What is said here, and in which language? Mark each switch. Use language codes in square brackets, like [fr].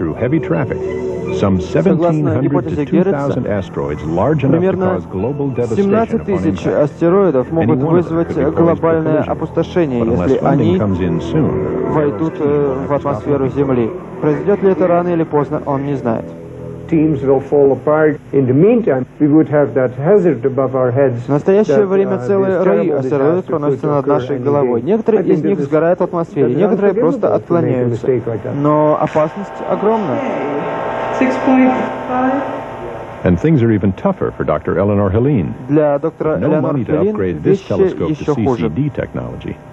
[en] Heavy traffic. Some 1,700 to 2,000 asteroids, large enough to cause global devastation. [ru] Примерно 17 000 астероидов могут вызвать глобальное опустошение, если они войдут в атмосферу Земли. Произойдет ли это рано или поздно, он не знает. [en] Teams will fall apart. In the meantime, we would have that hazard above our heads. [ru] В настоящее время целые рои астероидов проносятся над нашей головой. Некоторые из них сгорают в атмосфере, некоторые просто отклоняются. Но опасность огромна. [en] 6.5. And things are even tougher for Dr. Eleanor Helene. [ru] Для доктора Эленор Хелин вещи еще хуже.